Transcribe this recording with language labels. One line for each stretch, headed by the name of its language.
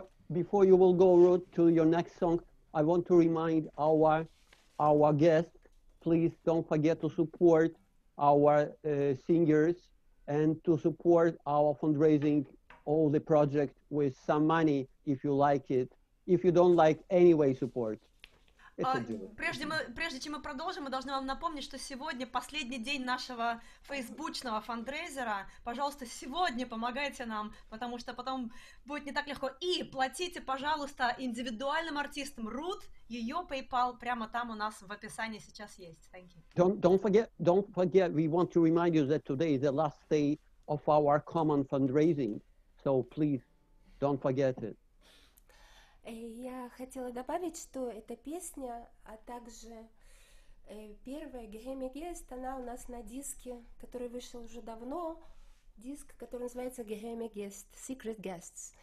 English: Before you will go Ruth, to your next song, I want to remind our guests, please don't forget to support our singers and to support our fundraising, all the project with some money if you like it. If you don't like, anyway, support.
Russian: Прежде чем мы продолжим, мы должны вам напомнить, что сегодня последний день нашего фейсбучного фандрейзера. Пожалуйста, сегодня помогайте нам, потому что потом будет не так легко. И платите, пожалуйста, индивидуальным артистам Рут, ее PayPal прямо там у нас в описании сейчас есть.
English: Thank you. Don't forget, we want to remind you that today is the last day of our common fundraising. So please, don't forget it.
Russian: Я хотела добавить, что эта песня, а также первая Grammy Guest, она у нас на диске, который вышел уже давно, диск, который называется Grammy Guest, Secret Guests.